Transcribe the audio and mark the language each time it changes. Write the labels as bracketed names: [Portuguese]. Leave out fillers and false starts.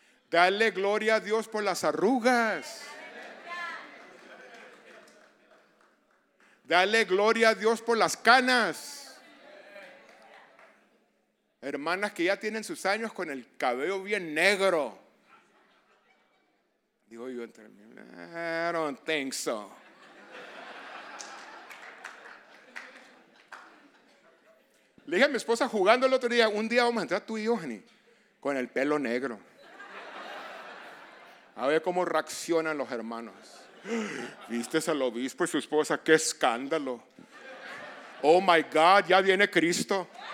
[Spanish] Dale gloria a Dios por las arrugas. Dale gloria a Dios por las canas. Hermanas que ya tienen sus años con el cabello bien negro. Digo yo entre mí, [English] I don't think so. [Spanish] Le dije a mi esposa jugando el otro día, un día vamos a entrar tú y yo, Jenny, con el pelo negro. A ver cómo reaccionan los hermanos. ¿Viste al obispo y su esposa? ¡Qué escándalo! [English] Oh my God, [Spanish] ya viene Cristo.